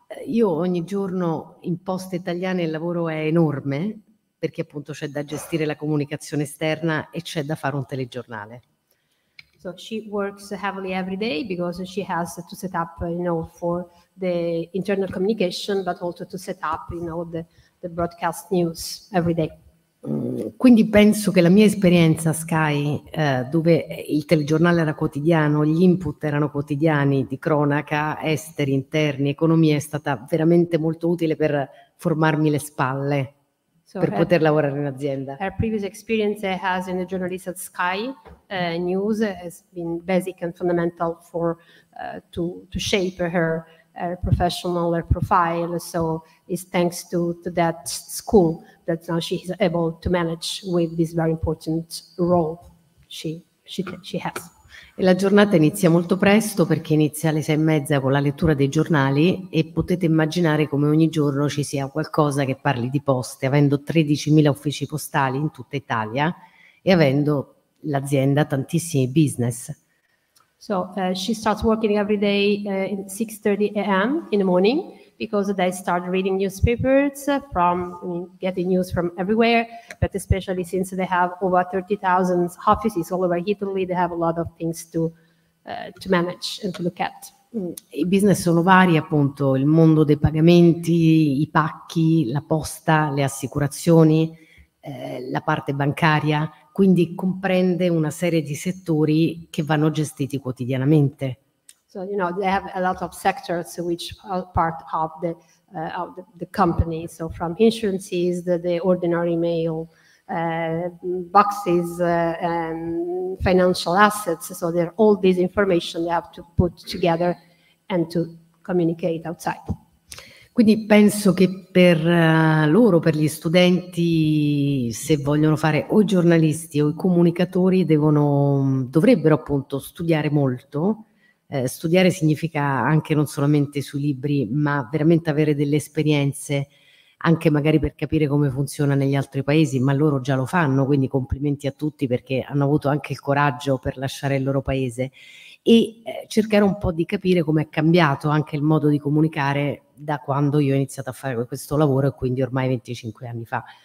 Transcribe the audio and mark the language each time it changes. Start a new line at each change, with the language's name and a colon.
Italian: Io ogni giorno in Poste Italiane il lavoro è enorme, perché appunto c'è da gestire la comunicazione esterna e c'è da fare un telegiornale.
English: So she works heavily every day because she has to set up, you know, for the internal communication, but also to set up, you know, the broadcast news every day.
Italian: Quindi penso che la mia esperienza a Sky, dove il telegiornale era quotidiano, gli input erano quotidiani di cronaca, esteri, interni, economia, è stata veramente molto utile per formarmi le spalle per poter lavorare in azienda.
English: Her previous experience as a journalist at Sky News has been basic and fundamental for to shape her professional profile. So it's thanks to that school that now she is able to manage with this very important role she has.
Italian: E la giornata inizia molto presto, perché inizia alle 6:30 con la lettura dei giornali, e potete immaginare come ogni giorno ci sia qualcosa che parli di Poste, avendo 13.000 uffici postali in tutta Italia e avendo l'azienda tantissimi business.
English: So she starts working every day at 6:30 a.m. in the morning, because they start reading newspapers from getting news from everywhere, but especially since they have over 30,000 offices all over Italy, they have a lot of things to manage and to look at.
Italian: I business sono vari, appunto, il mondo dei pagamenti, i pacchi, la posta, le assicurazioni, la parte bancaria, quindi comprende una serie di settori che vanno gestiti quotidianamente.
English: So, you know, they have a lot of sectors which are part of the company. So from insurances, the ordinary mail, boxes, financial assets. So there all this information they have to put together and to communicate outside.
Italian: Quindi penso che per loro, per gli studenti, se vogliono fare o i giornalisti o i comunicatori, dovrebbero appunto studiare molto. Studiare significa anche non solamente sui libri, ma veramente avere delle esperienze, anche magari per capire come funziona negli altri paesi, ma loro già lo fanno, quindi complimenti a tutti, perché hanno avuto anche il coraggio per lasciare il loro paese, e cercare un po' di capire come è cambiato anche il modo di comunicare da quando io ho iniziato a fare questo lavoro, e quindi ormai 25 anni fa.